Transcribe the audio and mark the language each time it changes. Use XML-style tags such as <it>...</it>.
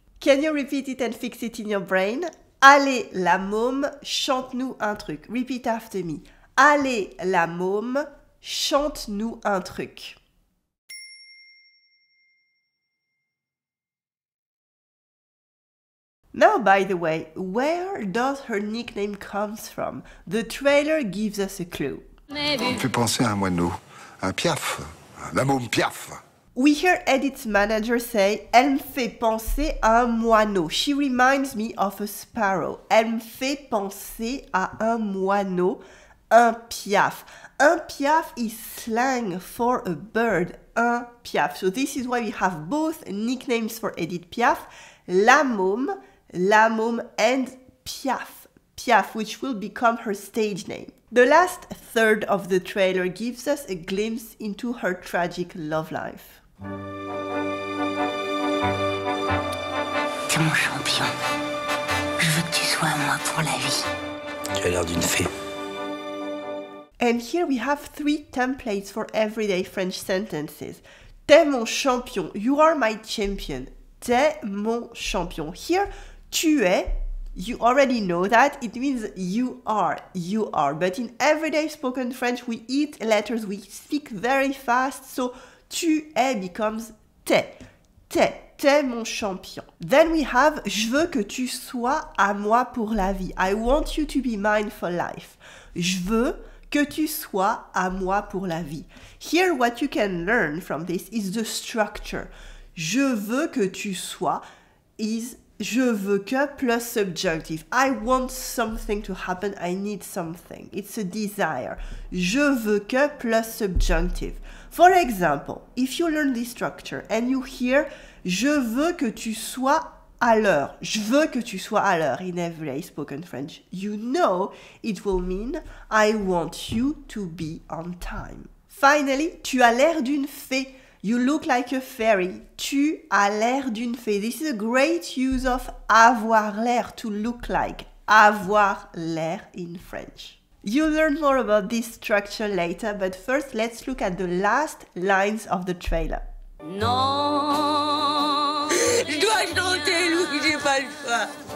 <en>Can you repeat it and fix it in your brain?</en> <fr>Allez la môme, chante-nous un truc.</fr> <en>Repeat after me.</en> <fr>Allez la môme, chante-nous un truc.</fr> <en>Now, by the way, where does her nickname comes from? The trailer gives us a clue.</en> <fr>Ça me fait penser à un moineau, un piaf. La môme piaf.</fr> <en>We hear Edith's manager say,</en> <fr>elle me fait penser à un moineau.</fr> <en>She reminds me of a sparrow.</en> <fr>Elle me fait penser à un moineau, un piaf.</fr> <en>Un piaf is slang for a bird, un piaf. So this is why we have both nicknames for Edith Piaf. La môme and piaf. Piaf, which will become her stage name. The last third of the trailer gives us a glimpse into her tragic love life.</en> <fr>T'es mon champion. Je veux que tu sois à moi pour la vie. Tu as l'air d'une fée.</fr> <en>And here we have three templates for everyday French sentences.</en> <fr>T'es mon champion.</fr> <en>You are my champion.</en> <fr>T'es mon champion.</fr> <en>Here, tu es. You already know that, it means you are, but in everyday spoken French, we eat letters, we speak very fast, so tu es becomes</en> <fr>t'es, t'es, t'es mon champion. Then we have je veux que tu sois à moi pour la vie,</fr> <en>I want you to be mine for life,</en> <fr>je veux que tu sois à moi pour la vie.</fr> <en>Here what you can learn from this is the structure,</en> <fr>je veux que tu sois</fr> <en>is je veux que plus subjunctive. I want something to happen. I need something. It's a desire. Je veux que plus subjunctive. For example, if you learn this structure and you hear</en> <fr>je veux que tu sois à l'heure. Je veux que tu sois à l'heure</fr> <en>in everyday spoken French. You know it will mean I want you to be on time. Finally,</en> <fr>tu as l'air d'une fée.</fr> <en>You look like a fairy.</en> <fr>Tu as l'air d'une fée.</fr> <en>This is a great use of avoir l'air, to look like. Avoir l'air in French. You'll learn more about this structure later, but first let's look at the last lines of the trailer.</en> <fr>Non, je dois chanter, Louis, j'ai pas le choix.</fr>